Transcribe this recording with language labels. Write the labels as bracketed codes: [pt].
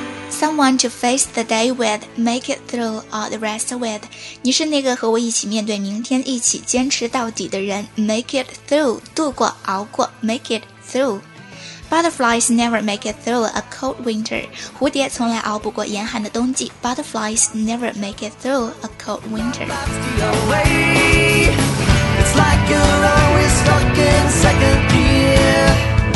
[en] Someone to face the day with, make it through all the rest with. [zh] 你是那个和我一起面对明天，一起坚持到底的人。 [en] Make it through, [zh] 度过，熬过。 [en] Make it through. Butterflies never make it through a cold winter. [zh] 蝴蝶从来熬不过严寒的冬季。 [en] Butterflies never make it through a cold winter. It's like you're always stuck in second gear.